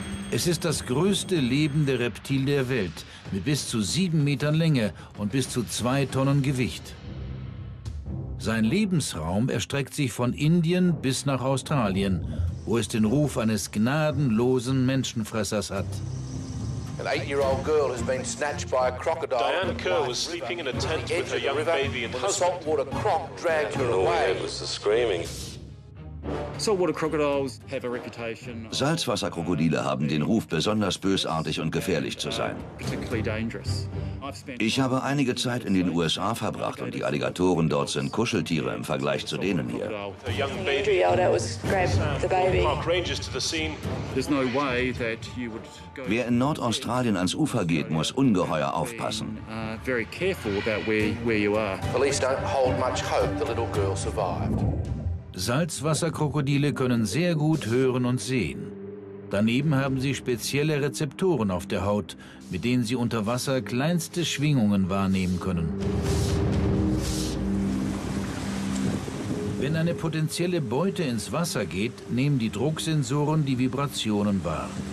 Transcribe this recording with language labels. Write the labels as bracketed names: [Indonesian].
[German] Es ist das größte lebende Reptil der Welt, mit bis zu 7 Metern Länge und bis zu 2 Tonnen Gewicht. Sein Lebensraum erstreckt sich von Indien bis nach Australien, wo es den Ruf eines gnadenlosen Menschenfressers hat. [English] An 8-year-old girl has been snatched by a crocodile. Diane Kerr was sleeping in a tent with her young baby and husband. A saltwater croc dragged her away. It was the screaming. [German] Salzwasserkrokodile haben den Ruf, besonders bösartig und gefährlich zu sein. Ich habe einige Zeit in den USA verbracht und die Alligatoren dort sind Kuscheltiere im Vergleich zu denen hier. Wer in Nordaustralien ans Ufer geht, muss ungeheuer aufpassen. [English] Police don't hold much hope, the little girl survived. [German] Salzwasserkrokodile können sehr gut hören und sehen. Daneben haben sie spezielle Rezeptoren auf der Haut, mit denen sie unter Wasser kleinste Schwingungen wahrnehmen können. Wenn eine potenzielle Beute ins Wasser geht, nehmen die Drucksensoren die Vibrationen wahr.